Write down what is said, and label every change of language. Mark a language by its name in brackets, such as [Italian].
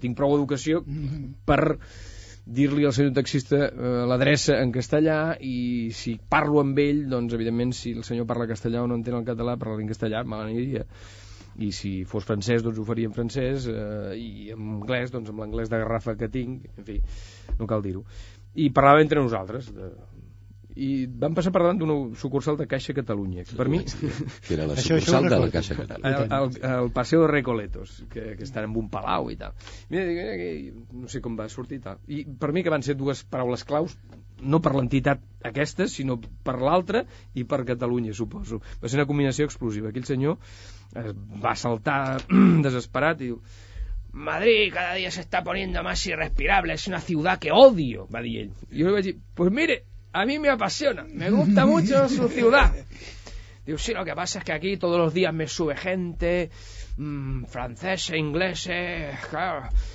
[Catalan] Tinc prou educació per dir-li al senyor taxista l'adreça en castellà, i si parlo amb ell doncs evidentment si el senyor parla castellà o no entén el català, parla en castellà, me n'aniria. I si fos francès doncs ho faria en francès, i en anglès doncs amb l'anglès de garrafa que tinc, en fi, no cal dir-ho. I parlava entre nosaltres i vam passar per davant d'una sucursal de Caixa Catalunya. Per mi... Que era la sucursal de la Caixa Catalunya. El Paseo de Recoletos, que estan en un palau i tal. Mira, no sé com va sortir i tal. I per mi que van ser dues paraules claus, no per l'entitat aquesta, sinó per l'altra i per Catalunya, suposo. Va ser una combinació explosiva. Aquell senyor es va saltar desesperat i diu... [Spanish] Madrid cada dia se está poniendo más irrespirable, es una ciudad que odio, [Catalan] va dir ell. I jo li vaig dir, [Spanish] pues mire... A mí me apasiona, me gusta mucho su ciudad. Digo, sí, lo que pasa es que aquí todos los días me sube gente, franceses, ingleses, claro.